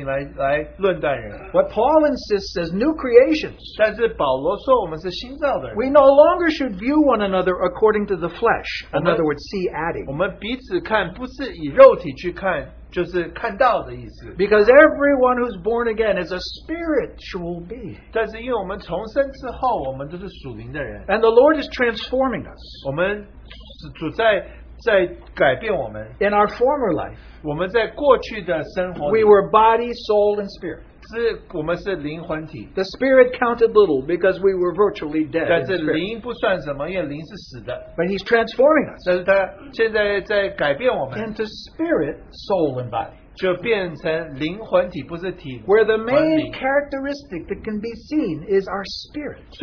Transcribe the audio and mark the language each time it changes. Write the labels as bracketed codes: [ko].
[zh] 所以我们常常是以外面的表现,外面的事情来论断人。 [en] What Paul insists as new creations. [zh] 但是保罗说我们是新造的人。 [en] We no longer should view one another according to the flesh. In other words, see adding. [zh] 我们彼此看不是以肉体去看。就是看到的意思. [en] Because everyone who's born again is a spiritual being. [zh] 但是因为我们重生之后，我们都是属灵的人. [en] And the Lord is transforming us. [zh] 我们主在改变我们. [en] In our former life, [zh] 我们在过去的生活, [en] we were body, soul, and spirit. [zh] 我们是灵魂体. [en] The spirit counted little because we were virtually dead. [zh] 但是灵不算什么，因为灵是死的. [en] But he's transforming us. [zh] 但是他现在在改变我们. [en] Into spirit, soul, and body. [zh] 就变成灵魂体，不是体. [en] Where the main characteristic that can be seen is our spirit.